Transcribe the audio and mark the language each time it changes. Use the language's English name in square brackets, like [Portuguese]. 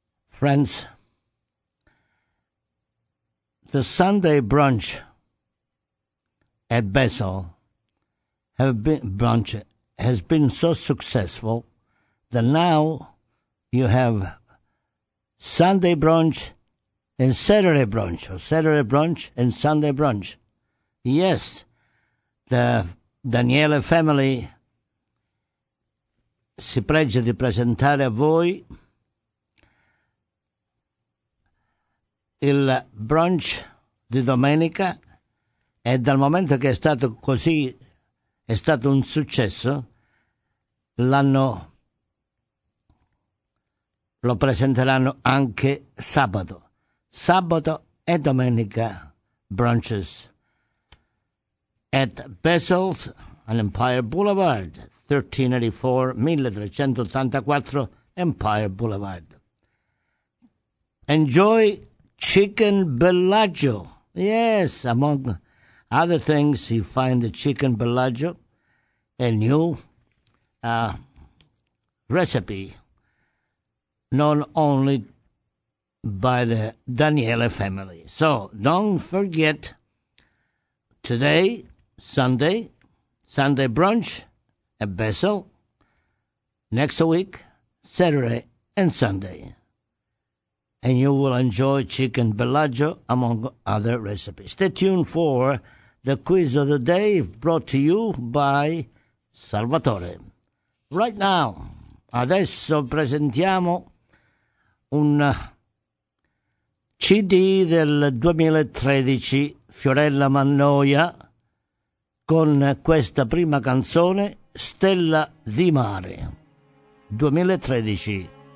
[English] Friends, the Sunday brunch at Basel has been so successful that now you have Sunday brunch and Saturday brunch, or Saturday brunch and Sunday brunch. Yes, the Daniele family [Italian] si pregia di presentare a voi il brunch di domenica, e dal momento che è stato così, è stato un successo, lo presenteranno anche sabato e domenica [English] brunches at Basel's on Empire Boulevard, [Italian] 1384 Empire Boulevard. [English] Enjoy chicken Bellagio. Yes, among other things, you find the chicken Bellagio, a new recipe, known only by the Daniele family. So don't forget, today, Sunday brunch at Bessel, next week, Saturday and Sunday, and you will enjoy chicken Bellagio, among other recipes. Stay tuned for the quiz of the day, brought to you by Salvatore. Right now, [Italian] adesso presentiamo un CD del 2013, Fiorella Mannoia, con questa prima canzone, Stella di Mare, 2013.